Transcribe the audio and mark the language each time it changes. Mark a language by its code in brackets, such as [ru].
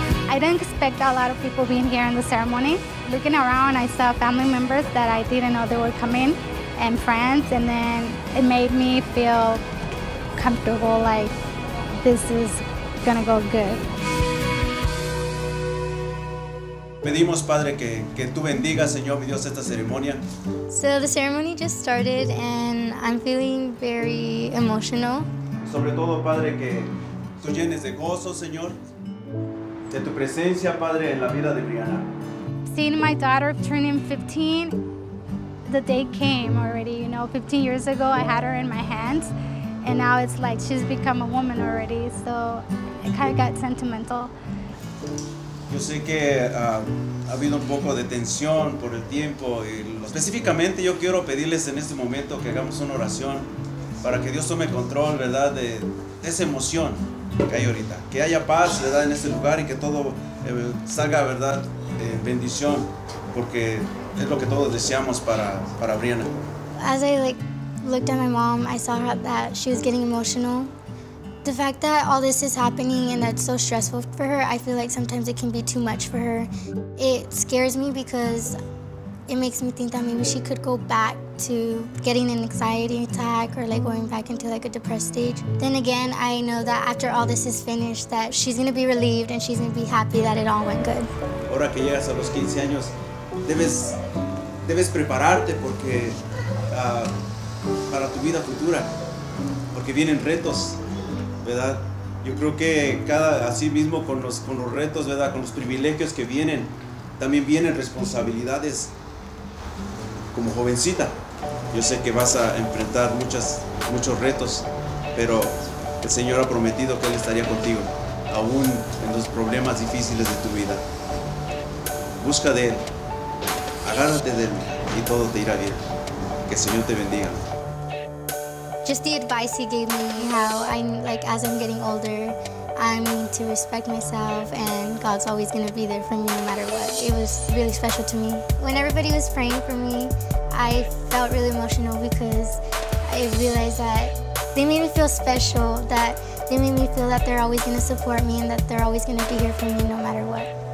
[en] I didn't expect a lot of people being here in the ceremony. Looking around, I saw family members that I didn't know they were coming, and friends, and then it made me feel comfortable, like this is gonna go good. [es] Pedimos, Padre, que tú bendigas, Señor, mi Dios, esta ceremonia. [en] So the ceremony just started, and I'm feeling very emotional. [es] Sobre todo, Padre, que tú llenes de gozo, Señor. De tu presencia, Padre, en la vida de Brianna. [en] Seeing my daughter turning 15, the day came already, you know. 15 years ago, I had her in my hands, and now it's like she's become a woman already, so it kind of got sentimental. [es] Yo sé que ha habido un poco de tensión por el tiempo, y específicamente yo quiero pedirles en este momento que hagamos una oración para que Dios tome control, ¿verdad?, de esa emoción. Que hay ahorita, que haya paz, ¿verdad?, en este lugar y que todo salga, ¿verdad?, bendición, porque es lo que todos deseamos para Brianna. [en] As I like looked at my mom, I saw that she was getting emotional. The fact that all this is happening and that's so stressful for her, I feel like sometimes it can be too much for her. It scares me because it makes me think that maybe she could go back to getting an anxiety attack or like going back into like a depressed stage. Then again, I know that after all this is finished, that she's gonna be relieved and she's gonna be happy that it all went good. [es] Ahora que llegas a los 15 años, debes prepararte porque para tu vida futura, porque vienen retos, ¿verdad? Yo creo que cada así mismo con los retos, ¿verdad? Con los privilegios que vienen, también vienen responsabilidades. Como jovencita, yo sé que vas a enfrentar muchos retos, pero el Señor ha prometido que Él estaría contigo, aún en los problemas difíciles de tu vida. Busca de Él, agárrate de Él y todo te irá bien. Que el Señor te bendiga. [en] Just the advice He gave me, how I'm like, as I'm getting older, I'm to respect myself, and God's always gonna be there for me no matter what. It was really special to me. When everybody was praying for me, I felt really emotional because I realized that they made me feel special, that they made me feel that they're always gonna support me and that they're always gonna be here for me no matter what.